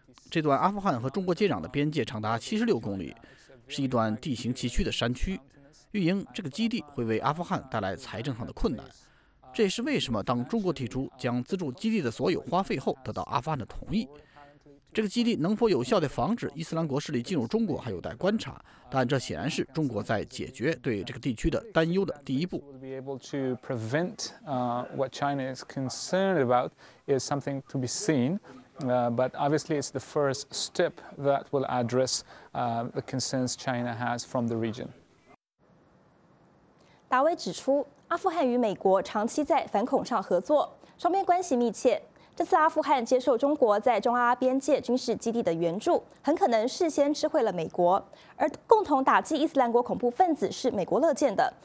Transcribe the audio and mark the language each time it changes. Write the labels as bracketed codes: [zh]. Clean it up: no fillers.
[zh] 这段阿富汗和中国接壤的边界长达76公里，是一段地形崎岖的山区，运营这个基地会为阿富汗带来财政上的困难。这也是为什么当中国提出将资助基地的所有花费后得到阿富汗的同意。这个基地能否有效地防止伊斯兰国势力进入中国还有待观察，但这显然是中国在解决对这个地区的担忧的第一步。 [en] To be able to prevent what China is concerned about is something to be seen, but obviously it's the first step that will address the concerns China has from the region. [zh] 达威指出，阿富汗与美国长期在反恐上合作，双边关系密切。这次阿富汗接受中国在中阿边界军事基地的援助，很可能事先知会了美国，而共同打击伊斯兰国恐怖分子是美国乐见的。